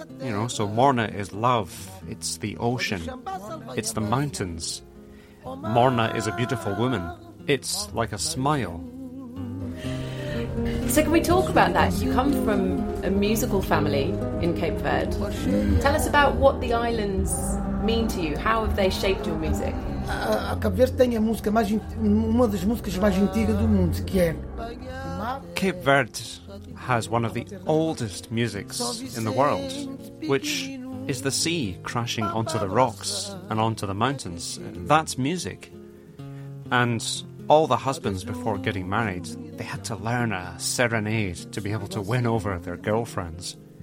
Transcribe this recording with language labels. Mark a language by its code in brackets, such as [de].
[en] You know, so Morna is love. It's the ocean. It's the mountains. Morna is a beautiful woman. It's like a smile. So can we talk about that? You come from a musical family in Cape Verde. Tell us about what the islands mean to you. How have they shaped your music? [pt] Cape Verde tem a música mais, uma das músicas mais antigas do mundo, que é... [en] Cape Verde has one of the oldest musics in the world, which is the sea crashing onto the rocks and onto the mountains. That's music. And all the husbands before getting married, they had to learn a serenade to be able to win over their girlfriends.